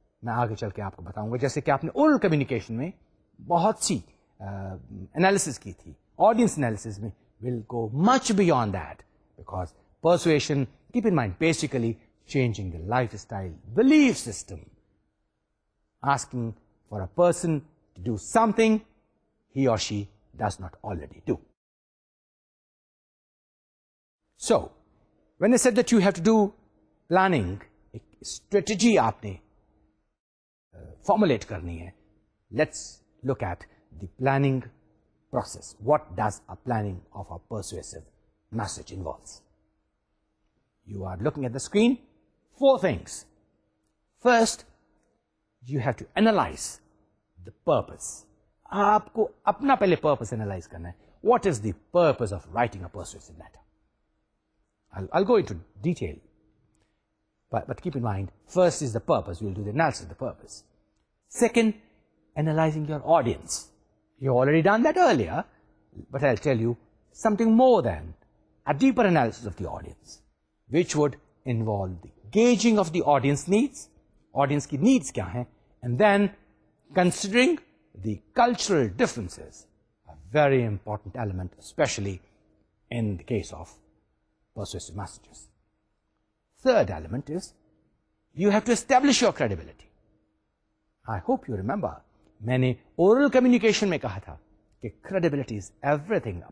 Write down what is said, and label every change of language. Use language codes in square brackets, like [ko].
[ur] میں آگے چل کے آپ کو بتاؤں گا. جیسے کہ آپ نے اورل کمیونیکیشن میں بہت سی انالیسز کی تھی, [en] Audience analysis میں will go much beyond that, because persuasion, keep in mind, basically changing the lifestyle, belief system, asking for a person to do something he or she does not already do. So when I said that you have to do planning, [ur] ایک strategy آپ نے formulate karni hai. [en] Let's look at the planning process. What does a planning of a persuasive message involves? You are looking at the screen. Four things. First, you have to analyze the purpose. [ur] Aapko apna pehle purpose analyze karna hai. [en] What is the purpose of writing a persuasive letter? I'll go into detail, but keep in mind, first is the purpose. We'll do the analysis of the purpose. Second, analyzing your audience. You already done that earlier, but I'll tell you something more than a deeper analysis of the audience, which would involve the gauging of the audience needs, [ur] audience ki needs kya hai, [en] and then considering the cultural differences, a very important element, especially in the case of persuasive messages. Third element is you have to establish your credibility. I hope you remember, [ur] میں نے oral communication میں کہا تھا کہ [en] credibility is everything.